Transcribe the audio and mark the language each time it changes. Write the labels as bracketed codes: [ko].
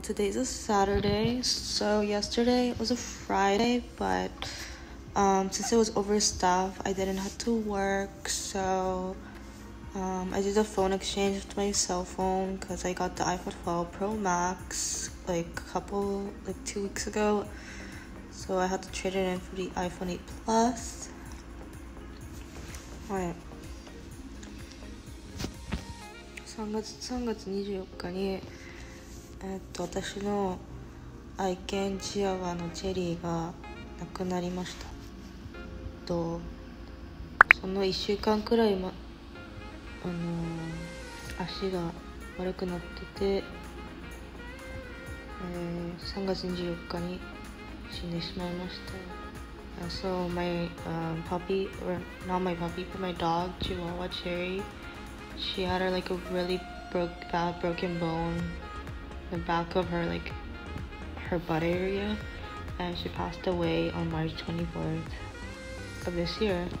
[en] Today's a Saturday, so yesterday was a Friday, but since it was overstaffed, I didn't have to work, so I did a phone exchange with my cell phone because I got the iPhone 12 Pro Max like two weeks ago, so I had to trade it in for the iPhone 8 Plus. Alright. [ja] 3月24日に、私の愛犬チワワのチェリーが亡くなりました。とその1週間くらい、足が悪くなってて、3月24日に死んでしまいました。 [en] So my puppy, or not my puppy, but my dog, Chihuahua Cherry,She had her, like, a really bad broken bone in the back of her, like, her butt area. And she passed away on March 24th of this year.